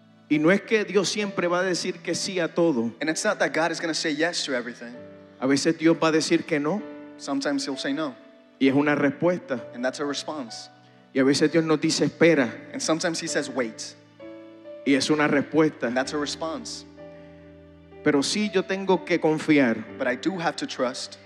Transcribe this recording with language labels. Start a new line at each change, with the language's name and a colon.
Spanish: Y no es que Dios siempre va a decir que sí a todo.
English: And it's not that God is going to say yes to everything.
Spanish: A veces Dios va a decir que no.
English: Sometimes he'll say no.
Spanish: Y es una respuesta.
English: And that's a response.
Spanish: Y a veces Dios nos dice espera.
English: And sometimes he says wait.
Spanish: Y es una respuesta.
English: And that's a response.
Spanish: Pero sí, yo tengo que confiar.
English: But I do have to trust.